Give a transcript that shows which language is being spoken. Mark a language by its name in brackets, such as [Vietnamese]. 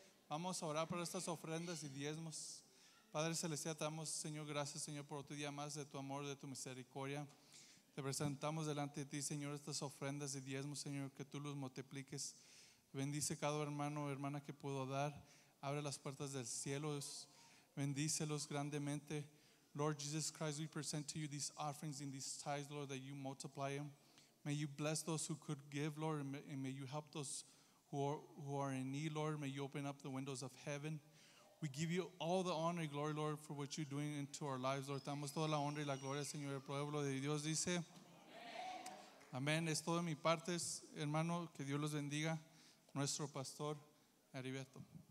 [Spanish] Vamos a orar por estas ofrendas y diezmos. Padre Celestial, te damos, Señor, gracias, Señor, por otro día más de tu amor, de tu misericordia. Te presentamos delante de ti, Señor, estas ofrendas y diezmos, Señor, que tú los multipliques. Bendice cada hermano o hermana que pudo dar. Abre las puertas del cielo. Bendícelos grandemente. [English] Lord Jesus Christ, we present to you these offerings and these tithes, Lord, that you multiply them. May you bless those who could give, Lord, and may you help those who are in need, Lord. May you open up the windows of heaven. We give you all the honor and glory, Lord, for what you're doing into our lives, Lord. [Spanish] Damos toda la honra y la gloria, Señor. El pueblo de Dios dice, amén. Es todo de mi parte, hermano. Que Dios los bendiga. Nuestro pastor, Heriberto.